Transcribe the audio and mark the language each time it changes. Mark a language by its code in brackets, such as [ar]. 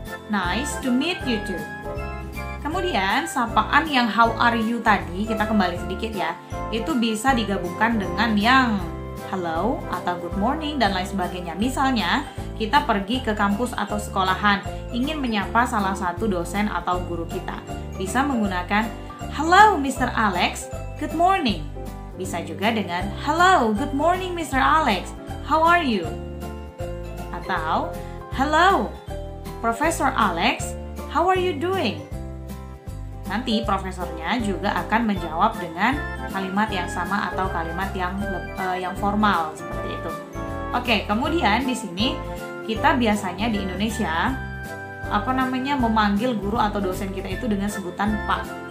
[en] Nice to meet you too. [id] Kemudian, sapaan yang [en] how are you [id] tadi, kita kembali sedikit ya, itu bisa digabungkan dengan yang hello atau good morning dan lain sebagainya. Misalnya, kita pergi ke kampus atau sekolahan, ingin menyapa salah satu dosen atau guru kita. Bisa menggunakan [en] hello Mr. Alex, good morning. [id] Bisa juga dengan [en] hello, good morning [id] Mr. [en] Alex, how are you? [id] Atau [en] hello, Professor Alex, how are you doing? [id] Nanti profesornya juga akan menjawab dengan kalimat yang sama atau kalimat yang formal seperti itu. Oke, kemudian di sini kita biasanya di Indonesia memanggil guru atau dosen kita itu dengan sebutan Pak.